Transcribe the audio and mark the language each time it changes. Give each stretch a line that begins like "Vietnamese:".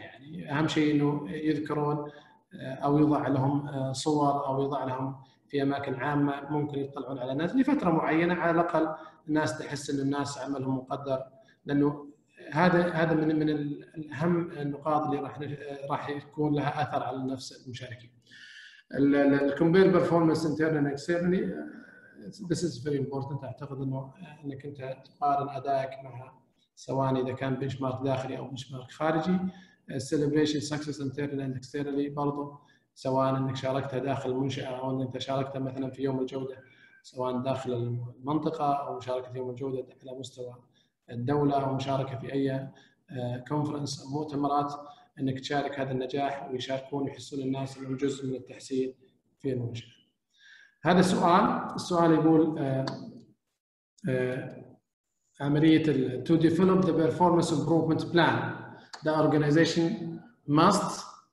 Arabic: يعني أهم شيء أنه يذكرون أو يضع لهم صور أو يضع لهم في أماكن عامة ممكن يطلعون على الناس لفترة معينة، على الأقل الناس تحس أن الناس عملهم مقدر، لأنه هذا من أهم النقاط اللي راح يكون لها أثر على النفس المشاركين.
English: الكمبير performance internally externally this is very important.
Arabic: أعتقد أنك أنت تقارن أدائك معها سواء إذا كان بنشمارك داخلي أو بنشمارك خارجي.
English: celebration success internally and externally
Arabic: برضو، سواء أنك شاركتها داخل المنشأة أو أنك شاركتها مثلا في يوم الجودة سواء داخل المنطقة أو مشاركة يوم الجودة على مستوى الدولة أو مشاركة في أي conference أو مؤتمرات، أنك تشارك هذا النجاح ويشاركون يحسون الناس أنهم جزء من التحسين في المنشأة. هذا السؤال يقول عملية
English: to develop the performance improvement plan the organization must